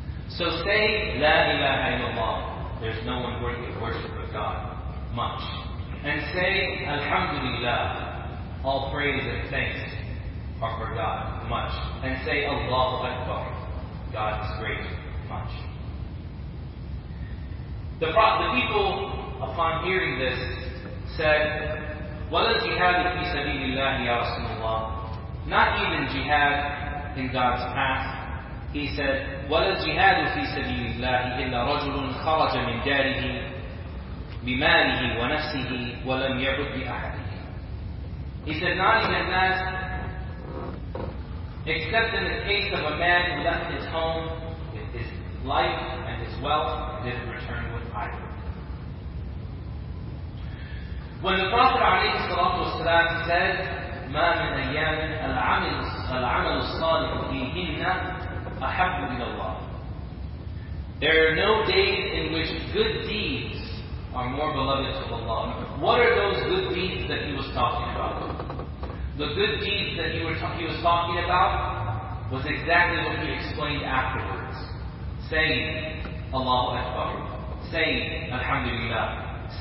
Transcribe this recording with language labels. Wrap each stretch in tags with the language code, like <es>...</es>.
<en>So say, La ilaha illallah, there's no one worthy of worship but God, much. And say, Alhamdulillah, all praise and thanks are for God, much. And say, Allahu Akbar, God is great, much. The people, upon hearing this, said,</en> <ar>وَلَا جِهَادُ فِي سَبِيلِ اللَّهِ يَا رَسُولُ اللَّهِ.</ar> <en>Not even jihad in God's path. He said,</en> <ar>وَلَا جِهَادُ فِي سَبِيلِ اللَّهِ إِلَّا رَجُلٌ خَرَجَ مِنْ دَارِهِ بِمَالِهِ وَنَفْسِهِ وَلَمْ يَعُدْ بِأَحَدِهِ.</ar> <en>He said, not even that, except in the case of a man who left his home, his life and his wealth, and didn't return with either. When the Prophet</en> <ar>عليه الصلاة والسلام</ar> <en>said,</en> <ar>مَا مِنْ أَيَّامٍ الْعَمَلُ الصَّالِحُ فِيهِنَّ أَحَبُّ إِلَى اللَّهِ.</ar> <en>There are no days in which good deeds are more beloved to Allah. What are those good deeds that he was talking about? The good deeds that he was talking about was exactly what he explained afterwards. Saying, Allahu Akbar. Saying, Alhamdulillah.</en>